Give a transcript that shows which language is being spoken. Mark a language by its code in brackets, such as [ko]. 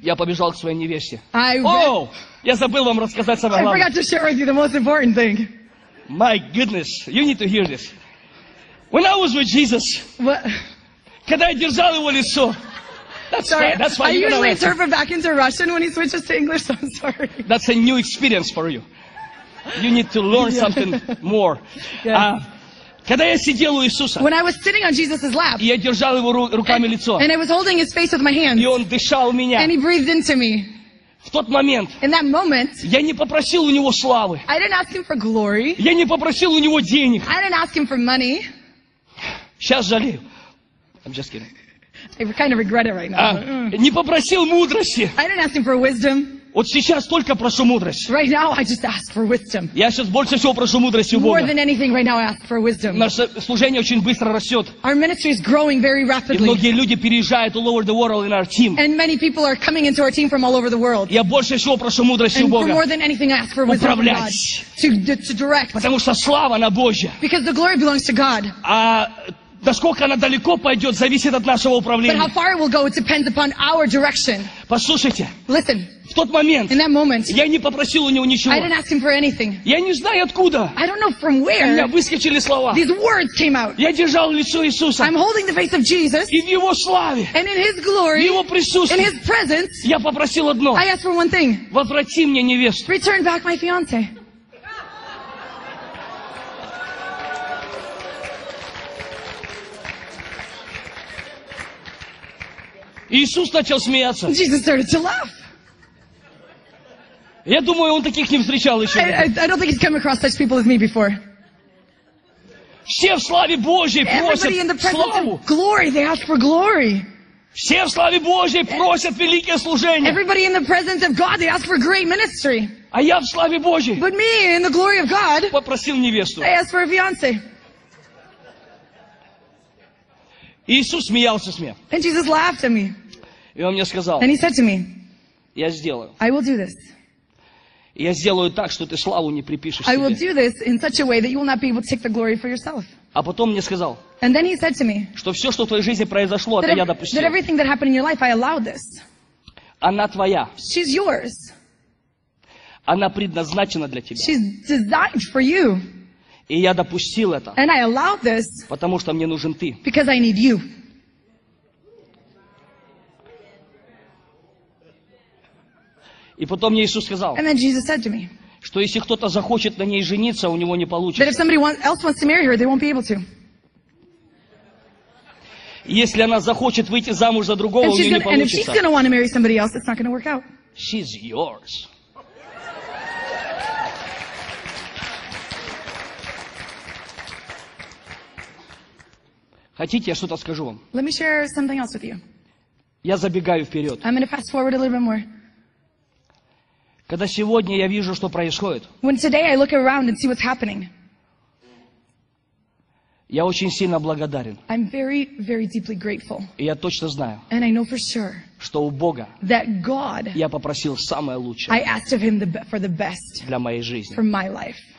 [ru] Я побежал к своей невесте. Я забыл вам рассказать самое главное. [en] I forgot to share with you the most important thing. My goodness, you need to hear this. When I was with Jesus, what? [ru] Когда я держал его лицо, that's [en] sorry, why, that's why I usually interpret back into Russian when he switches to English, so I'm sorry. That's a new experience for you. You need to learn something more. Yeah. [ru] Когда я сидел у Иисуса, [en] when I was sitting on Jesus' lap, [ru] я держал его руками [en] and, [ru] лицо, [en] and I was holding his face with my hands, [ru] и он дышал меня, [en] and he breathed into me. [ru] В тот момент [en] in that moment, [ru] я не попросил у него славы. [en] I didn't ask him for glory. [ru] Я не попросил у него денег. [en] I didn't ask him for money. [ru] Сейчас жалею. [en] I'm just kidding. I kind of regret it right now. [ru] Не попросил мудрости. [en] I didn't ask him for wisdom. [ru] Вот сейчас только прошу мудрость. [en] Right now I just ask for wisdom. [ru] Я сейчас больше всего прошу мудрости у Бога. [en] More than anything right now I ask for wisdom. [ru] Наше служение очень быстро растет. [en] Our ministry is growing very rapidly. [ru] И многие люди переезжают [en] all over the world in our team. And many people are coming into our team from all over the world. [ru] Я больше всего прошу мудрости у Бога. [en] And more than anything I ask for wisdom. [ru] Управлять. [en] To direct. [ru] Потому что слава на Божья. [en] Because the glory belongs to God. [ru] А Насколько она далеко пойдет, зависит от нашего управления. [en] But how far it will go, it depends upon our direction. [ru] Послушайте. [en] Listen. [ru] В тот момент. [en] In that moment. [ru] Я не попросил у него ничего. [en] I didn't ask him for anything. [ru] Я не знаю откуда. [en] I don't know from where. [ru] У меня выскочили слова. [en] These words came out. [ru] Я держал лицо Иисуса. [en] I'm holding the face of Jesus. [ru] И в Его славе. [en] And in His glory. [ru] В Его присутствии. [en] In His presence. [ru] Я попросил одно. [en] I asked for one thing. [ru] Возврати мне невесту. [en] Return back my fiance. [ru] Иисус начал смеяться. [en] Jesus started to laugh. [ru] Я думаю, он таких не встречал еще. [en] I don't think he's come across such people as me before. [ru] Все в славе Божьей просят славу. [en] Everybody in the presence of glory, they ask for glory. [ru] Все в славе Божьей просят великое служение. [en] Everybody in the presence of God, they ask for great ministry. [ru] А я в славе Божьей. [en] But me, in the glory of God, [ru] попросил невесту. [en] I asked for a fiance. [ru] Иисус смеялся смех. [en] And Jesus laughed at me. [ru] И он мне сказал. [en] And he said to me. [ru] Я сделаю. [en] I will do this. [ru] Я сделаю так, что ты славу не припишешь себе. [en] I will do this in such a way that you will not be able to take the glory for yourself. [ru] А потом мне сказал. [en] And then he said to me. [ru] Что все, что в твоей жизни произошло, это я допустил. [en] That everything that happened in your life, I allowed this. [ru] Она твоя. [en] She's yours. [ru] Она предназначена для тебя. [en] She's designed for you. [ru] И я допустил это. [en] And I allowed this. [ru] Потому что мне нужен ты. [en] Because I need you. [ru] И потом мне Иисус сказал. [en] And then Jesus said to me. [ru] Что если кто-то захочет на ней жениться, у него не получится. [en] That if somebody else wants to marry her, they won't be able to. [ru] Если она захочет выйти замуж за другого, у нее не получится. [en] And if she's going to want to marry somebody else, it's not going to work out. She's yours. [ru] Хотите, я что-то скажу вам? [en] Let me share something else with you. [ru] Я забегаю вперед. [en] I'm going to fast forward a little bit more. [ru] Когда сегодня я вижу, что происходит, [en] when today I look around and see what's happening, [ru] я очень сильно благодарен. [en] I'm very, very deeply grateful. [ru] И я точно знаю, [en] and I know for sure, [ru] что у Бога [en] that God, [ru] я попросил самое лучшее, [en] I asked of Him for the best, [ru] для моей жизни. [en] For my life.